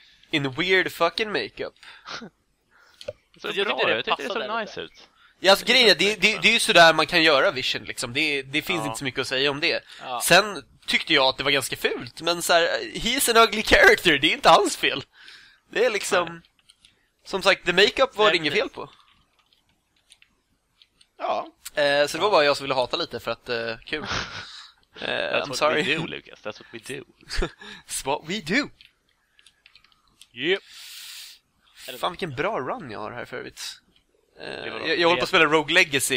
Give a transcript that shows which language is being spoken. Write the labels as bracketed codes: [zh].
[en] In weird fucking makeup. [sv] Så jag bra, tyckte det passade, jag tyckte det såg nice ut. Ja, alltså, grejen, det är ju sådär man kan göra Vision liksom. Det finns ja. Inte så mycket att säga om det ja. Sen tyckte jag att det var ganska fult. Men såhär, [en] he's an ugly character. [sv] Det är inte hans fel. Det är liksom... Nej. Som sagt, [en] the makeup [sv] var det inget fel på. Ja. Så det var bara jag som ville hata lite för att, kul. [en] That's I'm sorry. What we do, Lucas. That's what we do. That's what we do. Yep. [sv] Fan, vilken bra run jag har här för övrigt. Jag håller på att spela Rogue Legacy.